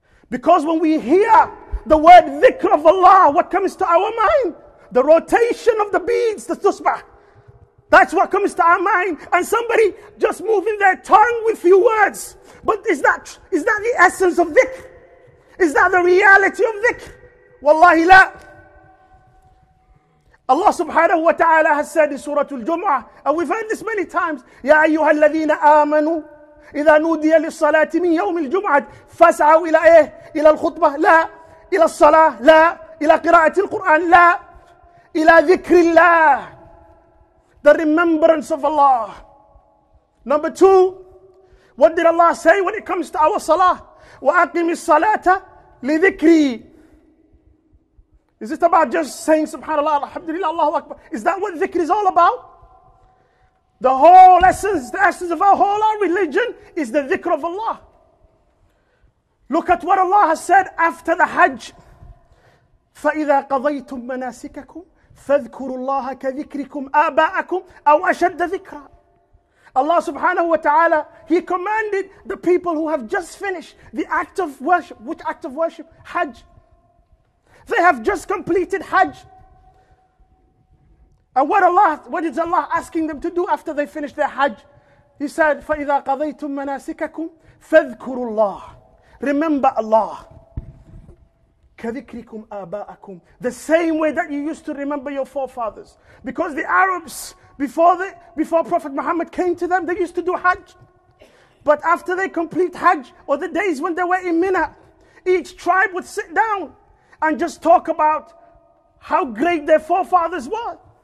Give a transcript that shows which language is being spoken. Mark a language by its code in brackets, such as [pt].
[en] Because when we hear the word dhikr of Allah, what comes to our mind? The rotation of the beads, the tusbah. That's what comes to our mind. And somebody just moving their tongue with few words. But is that the essence of dhikr? Is that the reality of dhikr? [ar] Wallahi la. [en] Allah subhanahu wa ta'ala has said in Surah Al-Jum'ah, and we've heard this many times, [ar] Ya ayyuhal ladhina amanu, إِذَا نُودِيَ لِلصَّلَاةِ مِنْ يَوْمِ الْجُمْعَةِ فَاسْعَوْا إِلَىٰ إِيهِ إِلَىٰ الْخُطْبَةِ لَا إِلَىٰ الصَّلَاةِ لَا إِلَىٰ قِرَاءَةِ الْقُرْآنِ لَا إِلَىٰ ذِكْرِ اللَّهِ. [en] The remembrance of Allah. Number two, what did Allah say when it comes to our salah? [ar] وَأَقِمِ الصَّلَاةَ لِذِكْرِي. [en] Is it about just saying subhanAllah, alhamdulillah, Allahu Akbar? Is that what dhikr is all about? The whole essence, the essence of our whole our religion is the dhikr of Allah. Look at what Allah has said after the Hajj. [ar] فَإِذَا قَضَيْتُم مَنَاسِكَكُمْ فَاذْكُرُوا اللَّهَ كَذِكْرِكُمْ آبَاءَكُمْ أَوْ أَشَدَّ ذِكْرًا. [en] Allah subhanahu wa ta'ala, He commanded the people who have just finished the act of worship. Which act of worship? Hajj. They have just completed Hajj. And what is Allah asking them to do after they finish their Hajj? He said, [ar] فَإِذَا قَضَيْتُم مَنَاسِكَكُمْ فَاذْكُرُوا اللَّهِ. [en] Remember Allah. [ar] كَذِكْرِكُمْ آبَاءَكُمْ. [en] The same way that you used to remember your forefathers. Because the Arabs, before Prophet Muhammad came to them, they used to do Hajj. But after they complete Hajj, or the days when they were in Mina, each tribe would sit down and just talk about how great their forefathers were.